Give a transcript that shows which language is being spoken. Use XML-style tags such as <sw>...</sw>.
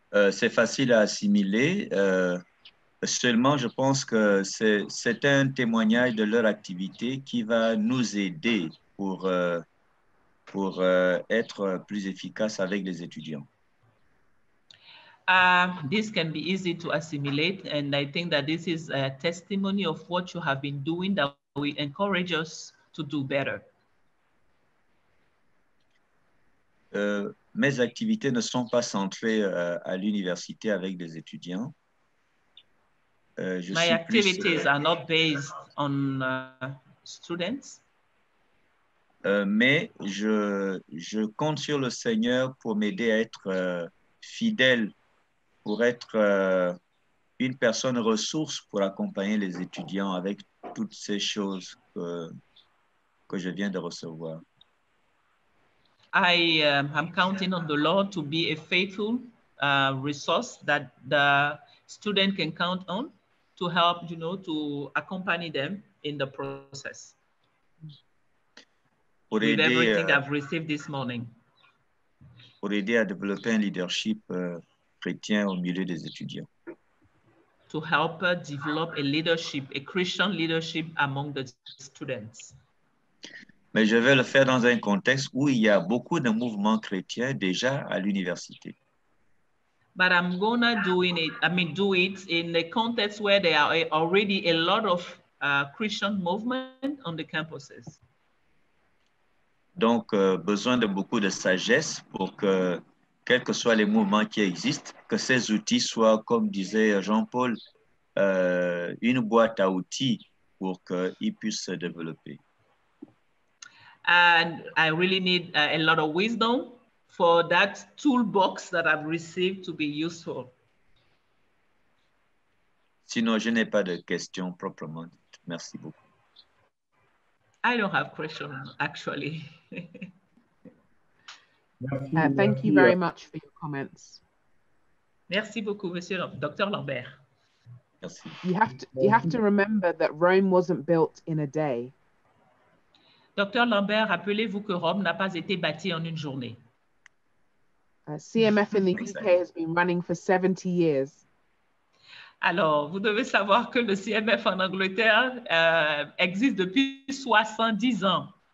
<fr>C'est facile à assimiler. Seulement, je pense que c'est un témoignage de leur activité qui va nous aider pour être plus efficace avec les étudiants.</fr> <en>This can be easy to assimilate, and I think that this is a testimony of what you have been doing that we encourage us to do better.</en> <fr>Mes activités ne sont pas centrées à l'université avec des étudiants.</fr> <en>My activities are not based on students.</en> <fr>Mais je compte sur le Seigneur pour m'aider à être fidèle, pour être une personne ressource pour accompagner les étudiants avec toutes ces choses que je viens de recevoir.</fr> <en>I'm counting on the Lord to be a faithful resource that the student can count on to help, you know, to accompany them in the process.</en> <fr>Pour</fr> <en>with</en> <fr>aider,</fr> <en>everything I've received this morning.</en> <fr>Pour aider à développer un leadership chrétien au milieu des étudiants.</fr> <en>To help develop a leadership, a Christian leadership among the students.</en> <fr>Mais je vais le faire dans un contexte où il y a beaucoup de mouvements chrétiens déjà à l'université.</fr> <en>But I'm gonna do it in a context where there are already a lot of Christian movement on the campuses.</en> <fr>Donc besoin de beaucoup de sagesse pour que quels que soient les mouvements qui existent, que ces outils soient, comme disait Jean-Paul, une boîte à outils pour qu'ils puissent se développer.</fr> <en>And I really need a lot of wisdom for that toolbox that I've received to be useful.</en> <fr>Sinon, je n'ai pas de questions proprement. Merci beaucoup.</fr> <en>I don't have questions, actually. thank you very much for your comments.</en> <fr>Merci beaucoup, Monsieur Dr. Lambert. Merci.</fr> <en>You have to remember that Rome wasn't built in a day.</en> <fr>Docteur Lambert, rappelez-vous que Rome n'a pas été bâtie en une journée.</fr> <en>CMF in the UK has been running for 70 years.</en> <fr>Alors, vous devez savoir que le CMF en Angleterre existe depuis 70 ans.</fr>